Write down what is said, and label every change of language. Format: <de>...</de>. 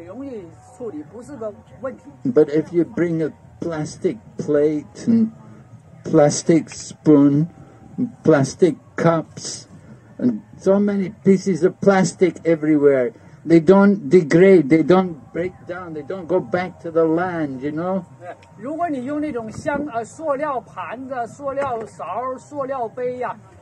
<zh>你把这个香蕉那个叶子用完之后，泼沙上以后，它不会当做一种废料垃圾扔，就很容易处理，不是个问题。</zh> <en>But if you bring a plastic plate and plastic spoon, plastic cups, and so many pieces of plastic everywhere, they don't degrade, they don't break down, they don't go back to the land, you know?</en> <zh>如果你用那种塑料盘子、塑料勺、塑料杯呀、啊。</zh>